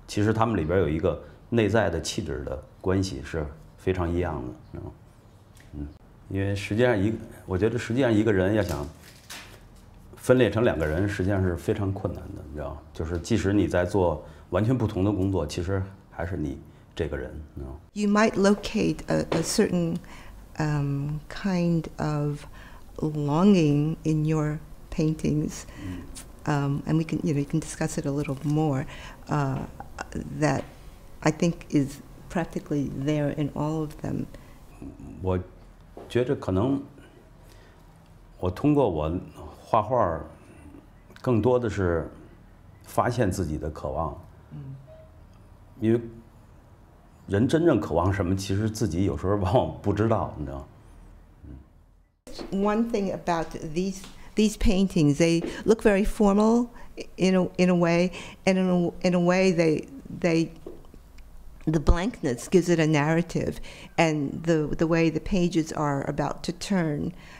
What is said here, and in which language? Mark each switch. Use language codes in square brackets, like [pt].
[zh] 其实他们里边有一个内在的气质的关系是。非常一样的，因为实际上我觉得实际上一个人要想分裂成两个人，实际上是非常困难的，你知道吗？就是即使你在做完全不同的工作，其实还是你这个人，你知道吗 [en] ？You might locate a certain kind of longing in your paintings, and we can discuss it a little more. That I think is. Practically there in all of them. [zh] 我觉得可能我通过我画画，更多的是发现自己的渴望。因为人真正渴望什么，其实自己有时候往往不知道，你知道。 [en] One thing about these paintings, they look very formal in a way, and in a way they. the blankness gives it a narrative, and the way the pages are about to turn.